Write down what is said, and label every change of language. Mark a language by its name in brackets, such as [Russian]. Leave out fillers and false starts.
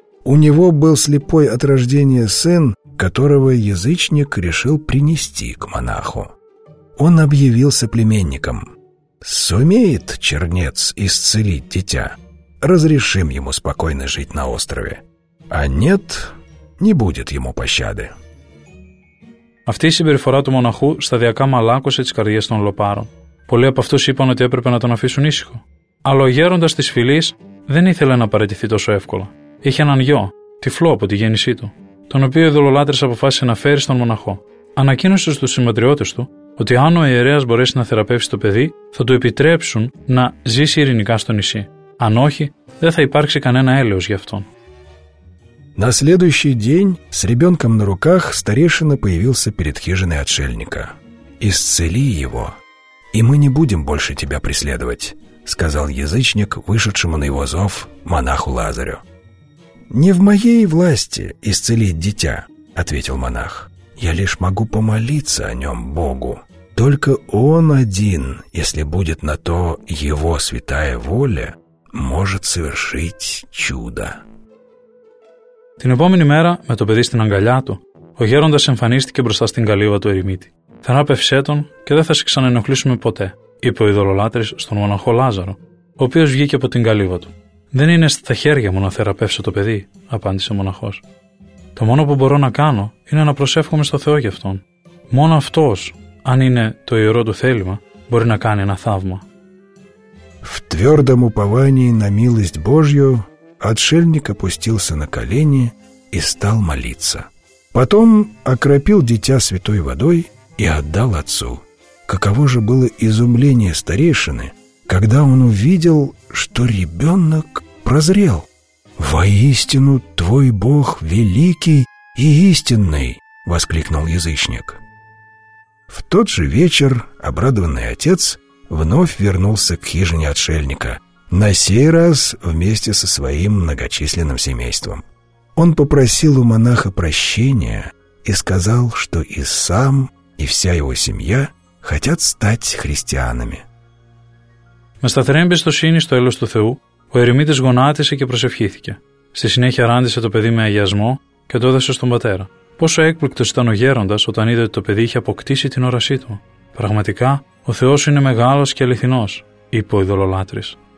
[Russian] У него был слепой от рождения сын, которого язычник решил принести к монаху. Он объявился племенником. «Сумеет чернец исцелить дитя? Разрешим ему спокойно жить на острове. А нет... не будет ему пощады». [Greek] Αυτή η συμπεριφορά του μοναχού σταδιακά μαλάκωσε τις καρδιές των Λοπάρων. Πολλοί από αυτούς είπαν ότι έπρεπε να τον αφήσουν ήσυχο. Αλλά ο γέροντας της φυλής δεν ήθελε να παραιτηθεί τόσο εύκολα. Είχε έναν γιο, τυφλό από τη γέννησή του, τον οποίο ο ειδωλολάτρης αποφάσισε να φέρει στον μοναχό. Ανακοίνωσε στους συμμετριώτες του ότι αν ο ιερέας μπορέσει να θεραπεύσει το παιδί, θα του επιτρέψουν να ζήσει ειρηνικά στο νησί. Αν όχι, δεν θα υπάρξει κανένα έλεος για αυτόν. [Russian] На следующий день с ребенком на руках старейшина появился перед хижиной отшельника. «Исцели его, и мы не будем больше тебя преследовать», сказал язычник, вышедшему на его зов, монаху Лазарю. «Не в моей власти исцелить дитя», ответил монах. «Я лишь могу помолиться о нем Богу. Только он один, если будет на то его святая воля, может совершить чудо». [Greek] Την επόμενη μέρα, με το παιδί στην αγκαλιά του, ο γέροντας εμφανίστηκε μπροστά στην καλύβα του ερημίτη. «Θεράπευσέ τον και δεν θα σε ξανενοχλήσουμε ποτέ», είπε ο ειδωλολάτρης στον μοναχό Λάζαρο, ο οποίος βγήκε από την καλύβα του. «Δεν είναι στα χέρια μου να θεραπεύσω το παιδί», απάντησε ο μοναχός. «Το μόνο που μπορώ να κάνω είναι να προσεύχομαι στο Θεό για αυτόν. Μόνο αυτός, αν είναι το ιερό του θέλημα, μπορεί να κάνει ένα θαύμα». [Russian] В твердом уповании на милость Божью отшельник опустился на колени и стал молиться. Потом окропил дитя святой водой и отдал отцу. Каково же было изумление старейшины, когда он увидел, что ребенок прозрел. «Воистину твой Бог великий и истинный!» — воскликнул язычник. В тот же вечер обрадованный отец вновь вернулся к хижине отшельника, на сей раз вместе со своим многочисленным семейством. Он попросил у монаха прощения и сказал, что и сам, и вся его семья хотят стать христианами. [Greek] Με σταθερή εμπιστοσύνη στο έλεος του Θεού, ο ερημίτης γονάτισε και προσευχήθηκε. Στη συνέχεια ράντισε το παιδί με αγιασμό και το έδωσε στον πατέρα. Πόσο έκπληκτος ήταν ο γέροντας όταν είδε ότι το παιδί είχε αποκτήσει την όρασή του. Πραγματικά, ο Θεός είναι μεγάλος και αληθινός, είπε ο ειδωλολάτρης.